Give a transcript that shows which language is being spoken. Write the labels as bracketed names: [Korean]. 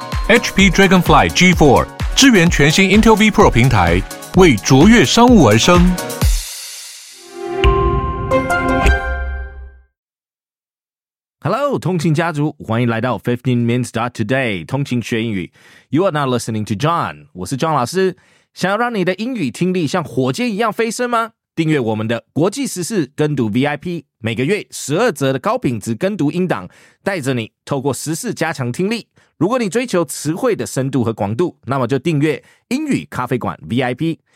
[Chinese] HP Dragonfly G4 支援全新 Intel V Pro 平台，为卓越商务而生。 Hello, 通勤家族，欢迎来到 15minutes.today, 通勤学英语。 [English] You are now listening to John, [Chinese] 我是 John 老师。想要让你的英语听力像火箭一样飞升吗？订阅我们的国际时事跟读 VIP, 每个月12折的高品质跟读音档，带着你透过时事加强听力。如果你追求词汇的深度和广度，那么就订阅英语咖啡馆 VIP。